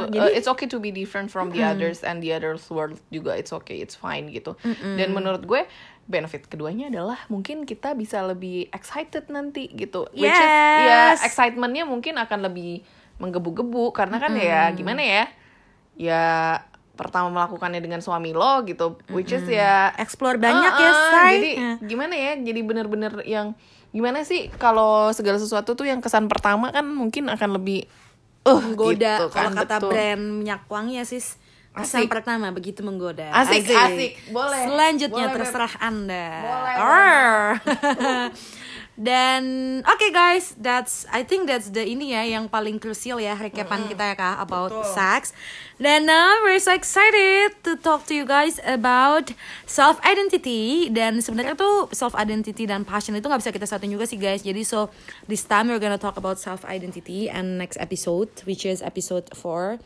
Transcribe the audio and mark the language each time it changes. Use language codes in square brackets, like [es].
[en] Jadi, it's okay to be different from the others and the others world juga. It's okay, it's fine gitu. [id] Dan menurut gue, benefit keduanya adalah mungkin kita bisa lebih excited nanti gitu. [en] Yes. Which is, [id] ya, excitement-nya mungkin akan lebih menggebu-gebu. Karena kan ya gimana ya? Ya pertama melakukannya dengan suami lo gitu, [en] which is [id] ya explore banyak ya say. Jadi gimana ya, jadi benar-benar yang gimana sih kalau segala sesuatu tuh yang kesan pertama kan mungkin akan lebih menggoda gitu, kan? Kalau kata brand minyak wangi ya sis, kesan asik pertama begitu menggoda. Asik boleh selanjutnya boleh, terserah bet. Anda boleh. Dan [en] okay guys, I think that's the [id] ini ya yang paling krusial ya recapan kita ya kak [en] about sex. Then now we're so excited to talk to you guys about self identity. [id] Dan sebenarnya tuh self identity dan passion itu nggak bisa kita satuin juga sih guys. [en] Jadi so this time we're gonna talk about self identity and next episode which is episode 4.